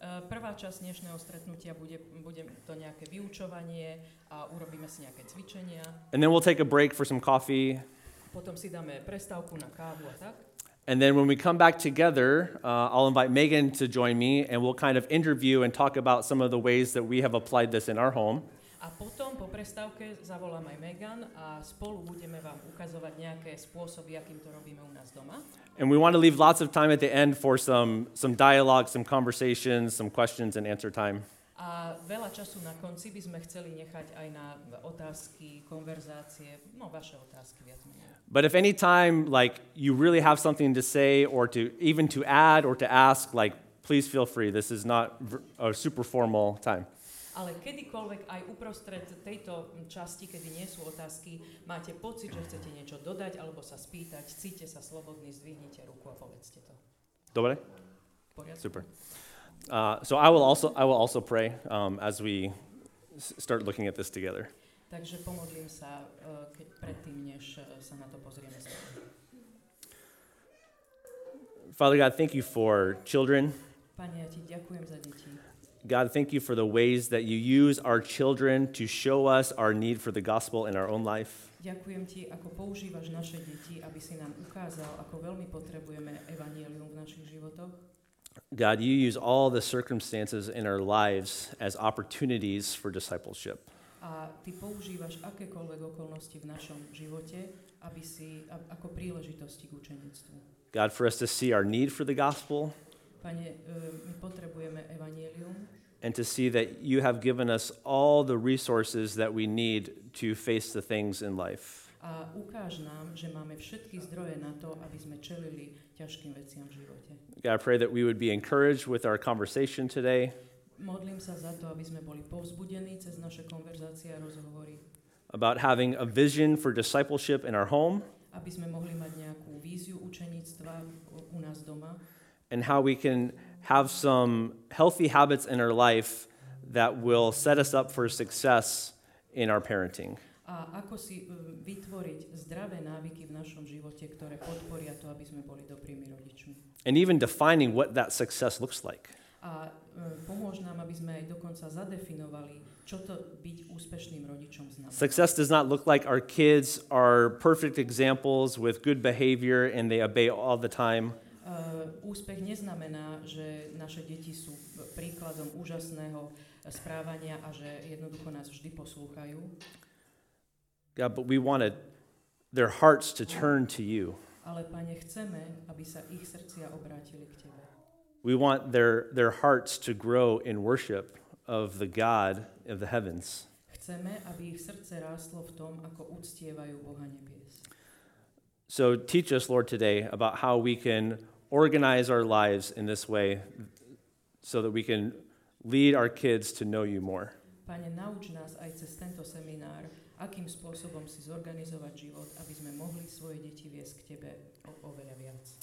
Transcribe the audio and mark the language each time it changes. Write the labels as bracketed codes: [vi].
[sk] Prvá časť dnešného stretnutia bude to nejaké vyučovanie a urobíme si nejaké cvičenia. [en] And then we'll take a break for some coffee. [sk] Potom si dáme prestávku na kávu a tak. [en] And then when we come back together, I'll invite Megan to join me and we'll kind of interview and talk about some of the ways that we have applied this in our home. [sk] A potom po prestávke zavolám aj Megan a spolu budeme vám ukazovať nejaké spôsoby, akým to robíme u nás doma. [en] And we want to leave lots of time at the end for some dialogue, some conversations, some questions and answer time. [sk] A veľa času na konci by sme chceli nechať aj na otázky, konverzácie, no vaše otázky viac menej. [en] But if any time like you really have something to say or to even to add or to ask, like please feel free. This is not a super formal time. [sk] Ale kedykoľvek aj uprostred tejto časti, kedy nie sú otázky, máte pocit, že chcete niečo dodať alebo sa spýtať, cíťte sa slobodný, zdvihnite ruku a povedzte to. Dobre? Poriadne. Super. [en] So I will also pray as we start looking at this together. [sk] Takže pomodlím sa predtým, než sa na to pozrieme. [en] Father God, thank you for children. [sk] Pane, ja ti ďakujem za deti. [en] God, thank you for the ways that you use our children to show us our need for the gospel in our own life. [sk] Ďakujem ti, ako používaš naše deti, aby si nám ukázal, ako veľmi potrebujeme evanjelium v našich životoch. [en] God, you use all the circumstances in our lives as opportunities for discipleship. [sk] A ty používaš akékoľvek okolnosti v našom živote, aby si ako príležitosti k učeníctvu. [en] God, for us to see our need for the gospel. [sk] Pane, my potrebujeme evanjelium. [en] And to see that you have given us all the resources that we need to face the things in life. [sk] A ukáž nám, že máme všetky zdroje na to, aby sme čelili ťažkým veciam v živote. [en] God, I pray that we would be encouraged with our conversation today. [sk] Modlím sa za to, aby sme boli povzbudení cez naše konverzácie a rozhovory. [en] About having a vision for discipleship in our home. [sk] Aby sme mohli mať nejakú víziu učeníctva u nás doma. [en] And how we can have some healthy habits in our life that will set us up for success in our parenting. [sk] A ako si vytvoriť zdravé návyky v našom živote, ktoré podporia to, aby sme boli dobrými rodičmi. [en] And even defining what that success looks like. [sk] A pomôž nám, aby sme aj dokonca zadefinovali, čo to byť úspešným rodičom znamená. [en] Success does not look like our kids are perfect examples with good behavior and they obey all the time. [sk] Úspech neznamená, že naše deti sú príkladom úžasného správania a že jednoducho nás vždy poslúchajú. [en] God, but we wanted their hearts to turn to you. [sk] Ale Pane, chceme, aby sa ich srdcia obrátili k tebe. [en] We want their hearts to grow in worship of the God of the heavens. [sk] Chceme, aby ich srdce ráslo v tom, ako uctievajú Boha nebies. [en] So teach us, Lord, today about how we can organize our lives in this way so that we can lead our kids to know you more. [sk] Pane, nauč nás aj cez tento seminár, akým spôsobom si zorganizovať život, aby sme mohli svoje deti viesť k tebe oveľa viac.